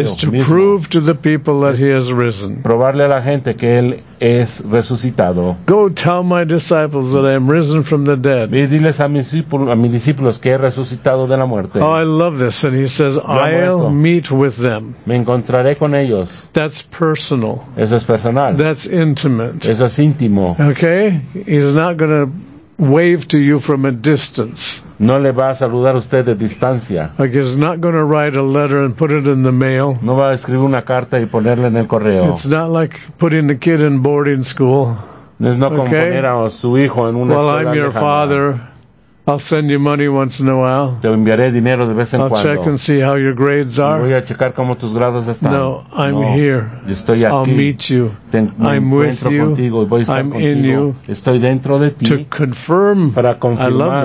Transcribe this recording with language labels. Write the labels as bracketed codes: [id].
[en] Is to prove to the people that he has risen. [es] Probarle a la gente que él es resucitado. [en] Go tell my disciples that I am risen from the dead. [es] Y diles a mis discípulos que he resucitado de la muerte. [en] Oh, I love this, and he says, I'll meet with them. [es] Me encontraré con ellos. [en] That's personal. [es] Eso es personal. [en] That's intimate. [es] Eso es íntimo. [en] Okay. He's not going to wave to you from a distance. [es] No le va a saludar usted de distancia. [en] Like he's not going to write a letter and put it in the mail. [es] No va a escribir una carta y ponerla en el correo. [en] It's not like putting the kid in boarding school. [es] No es no como poner a su hijo en una escuela. [en] Well, I'm your father. I'll send you money once in a while. [es] Te enviaré dinero de vez en cuando. [en] I'll check and see how your grades are. [es] Voy a checar cómo tus grados están. [en] No, I'm here. [es] Estoy aquí. [en] I'll meet you. I'm with you. [es] Contigo. Voy a estar [en] I'm [es] contigo. [en] In you. [es] Estoy dentro de ti. [en] To confirm. [es] Para confirmar.